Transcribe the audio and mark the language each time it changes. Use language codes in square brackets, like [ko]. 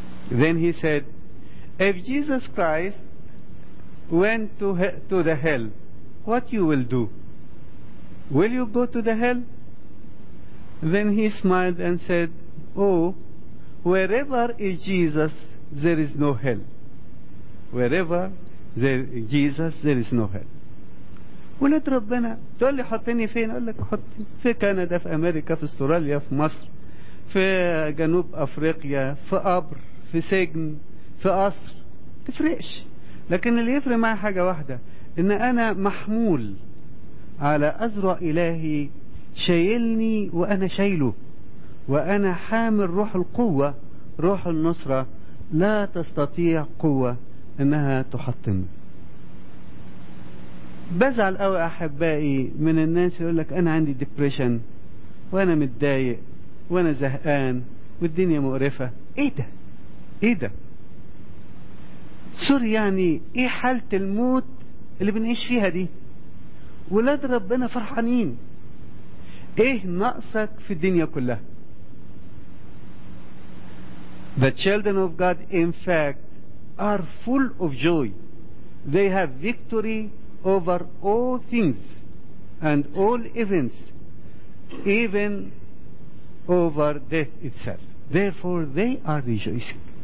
[en] Then he said, if Jesus Christ went to the hell, what you will do? Will you go to the hell? Then he smiled and said, oh, wherever is Jesus, there is no hell. Wherever there is Jesus, there is no hell. [ar] قلت ربنا تقول لي حطني فين؟ قال لك حطني في كندا, في أمريكا, في أستراليا, في مصر, في جنوب أفريقيا, في قبر, في سجن, في قصر, تفرقش. لكن اللي يفرق معي حاجة واحدة, ان انا محمول على اذرع الهي شايلني وانا شايله, وانا حامل روح القوة, روح النصرة. لا تستطيع قوة انها تحطم. بزعل قوي احبائي من الناس يقولك انا عندي ديبريشن وانا متضايق وانا زهقان والدنيا مقرفة. ايه ده؟ ايه ده؟ سور يعني ايه حالة الموت اللي بنعيش فيها دي؟ ولاد ربنا فرحانين، ايه نقصك في الدنيا كلها؟ [en] The children of God in fact are full of joy. They have victory over all things and all events, even over death itself. Therefore, they are rejoicing.